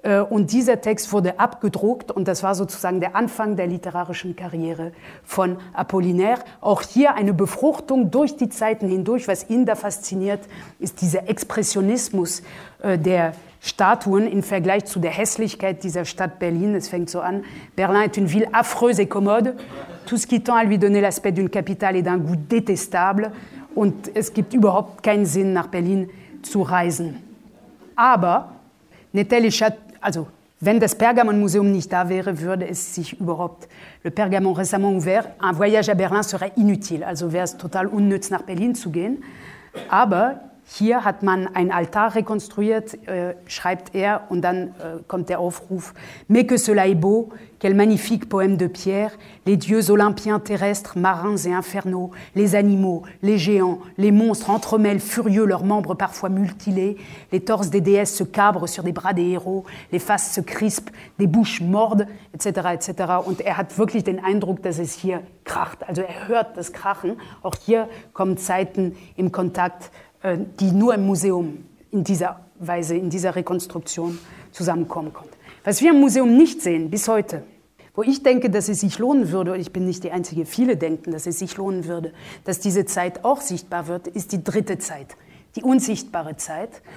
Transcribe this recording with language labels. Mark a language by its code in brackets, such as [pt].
[de] Und dieser Text wurde abgedruckt und das war sozusagen der Anfang der literarischen Karriere von Apollinaire. Auch hier eine Befruchtung durch die Zeiten hindurch. Was ihn da fasziniert, ist dieser Expressionismus der Statuen im Vergleich zu der Hässlichkeit dieser Stadt Berlin. Es fängt so an. [fr] Berlin est une ville affreuse et commode. Tout ce qui tend à lui donner l'aspect d'une capitale est d'un goût détestable. [de] Und es gibt überhaupt keinen Sinn, nach Berlin zu reisen. Aber wenn das Pergamon-Museum nicht da wäre, würde es sich überhaupt, [fr] le Pergamon récemment ouvert, un voyage à Berlin serait inutile, [de] also wäre es total unnütz, nach Berlin zu gehen. Aber hier hat man ein Altar rekonstruiert, schreibt er, und dann kommt der Aufruf, [fr] mais que cela est beau, quel magnifique poème de Pierre, les dieux olympiens terrestres, marins et infernaux, les animaux, les géants, les monstres entremêlent furieux leurs membres parfois mutilés, les torses des déesses se cabrent sur des bras des héros, les faces se crispent, des bouches mordent, etc., etc. [de] Und er hat wirklich den Eindruck, dass es hier kracht. Also er hört das Krachen. Auch hier kommen Zeiten im Kontakt, die nur im Museum in dieser Weise, in dieser Rekonstruktion zusammenkommen konnte. Was wir im Museum nicht sehen bis heute, wo ich denke, dass es sich lohnen würde, ich bin nicht die Einzige, viele denken, dass es sich lohnen würde, dass diese Zeit auch sichtbar wird, ist die dritte Zeit, die unsichtbare Zeit.